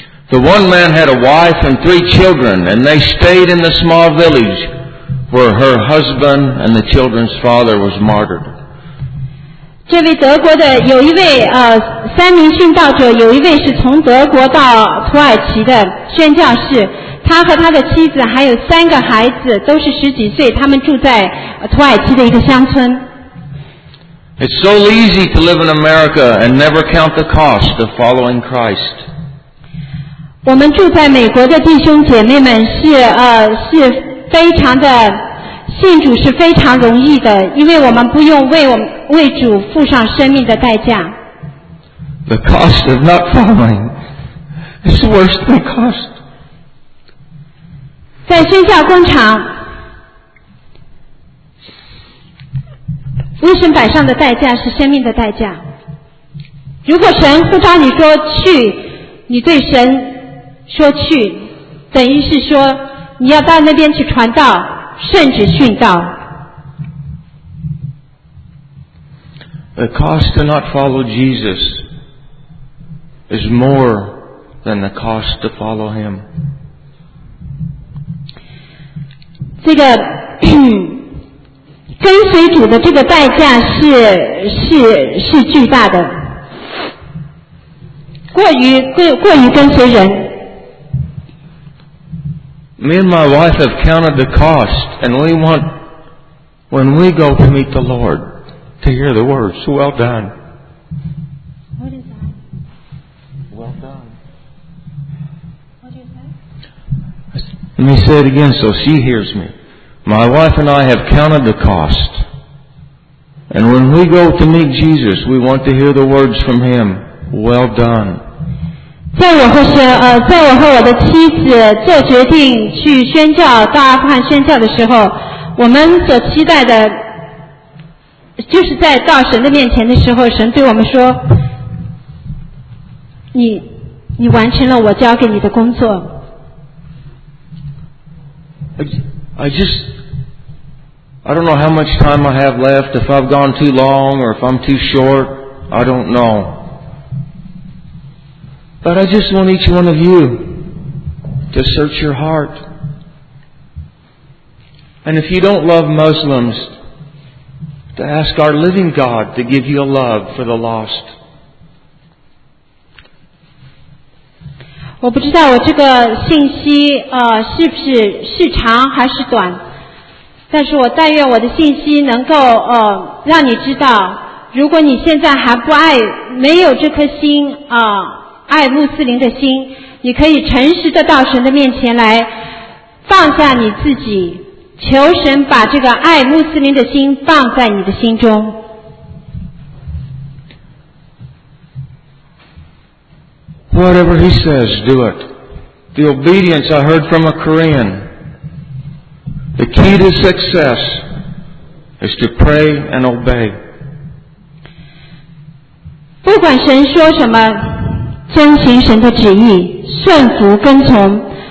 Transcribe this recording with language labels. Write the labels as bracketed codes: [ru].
[en] The one man had a wife and three children, and they stayed in the small village where her husband and the children's father was martyred. [zh] 这位德国的有一位三名殉道者，有一位是从德国到土耳其的宣教士，他和他的妻子还有三个孩子，都是十几岁，他们住在土耳其的一个乡村。 [en] It's so easy to live in America and never count the cost of following Christ. [zh] 我们住在美国的弟兄姐妹们是非常的信主是非常容易的，因为我们不用为主付上生命的代价。 [en] The cost of not following is worse than cost. [zh] 在宣教工厂。为什么摆上的代价是生命的代价？如果神呼召你说去，你对神说去，等于是说你要到那边去传道，甚至殉道。 [en] The cost to not follow Jesus is more than the cost to follow Him. [zh] 这个跟随主的这个代价是巨大的，过于跟随人。 [en] Me and my wife have counted the cost, and we want when we go to meet the Lord to hear the words, "Well done." What is that? Well done. What is that? Let me say it again, so she hears me. My wife and I have counted the cost. And when we go to meet Jesus, we want to hear the words from Him, "Well done." [zh] 在我和我的妻子做决定去宣教，到阿富汗宣教的时候，我们所期待的，就是在到神的面前的时候，神对我们说，你完成了我交给你的工作。 [en] I don't know how much time I have left, if I've gone too long or if I'm too short, I don't know. But I just want each one of you to search your heart. And if you don't love Muslims, to ask our living God to give you a love for the lost. [zh] 我不知道我这个信息是不是是长还是短。但是我但愿我的信息能够让你知道，如果你现在还不爱，没有这颗心爱穆斯林的心，你可以诚实的到神的面前来，放下你自己，求神把这个爱穆斯林的心放在你的心中。 [en] Whatever he says, do it. The obedience I heard from a Korean. The key to success is to pray and obey. [zh] 不管神说什么，遵行神的旨意，顺服跟从。